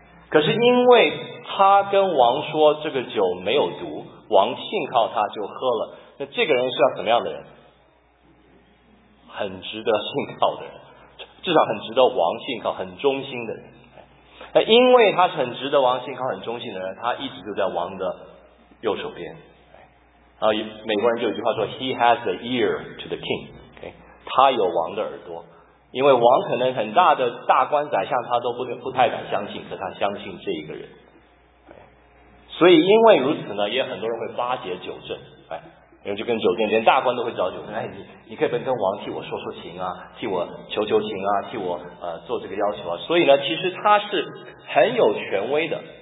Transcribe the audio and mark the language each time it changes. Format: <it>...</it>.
<zh>可是因为他跟王说这个酒没有毒，王信靠他就喝了，那这个人是要怎么样的人？很值得信靠的人，至少很值得王信靠，很忠心的人。那因为他是很值得王信靠、很忠心的人，他一直就在王的右手边。</zh> <en>美国人就有句话说 ，He has the ear to the king。 Okay?</en> <zh>他有王的耳朵，因为王可能很大的大官宰相他都不太敢相信，可他相信这一个人。所以因为如此呢，也很多人会巴结酒镇。人就跟酒店，连大官都会找酒店。你可以跟王替我说说情替我求求情替我做这个要求所以呢，其实他是很有权威的。</zh>